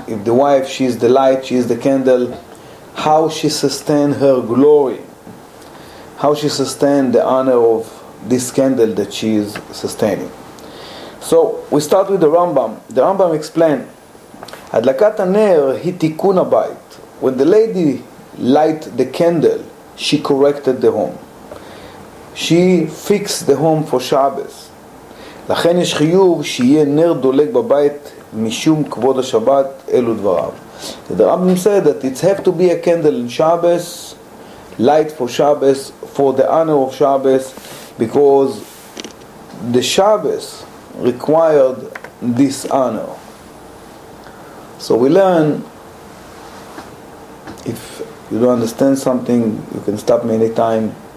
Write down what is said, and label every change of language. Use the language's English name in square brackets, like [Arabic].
[English] If the wife, she is the light, she is the candle, how she sustain her glory, how she sustain the honor of this candle that she is sustaining. So we start with the Rambam. The Rambam explained, [Hebrew] Hadlakat haner hi tikun habayit. [English] When the lady light the candle, she corrected the home, she fixed the home for Shabbos. [Hebrew] לכן יש חיוב שיהיה נר דולג בבית משום כבוד השבת, אלו דבריו. [English] The Rambam said that it's have to be a candle in Shabbos, light for Shabbos, for the honor of Shabbos, because the Shabbos required this honor. So we learn, if you don't understand something, you can stop me anytime.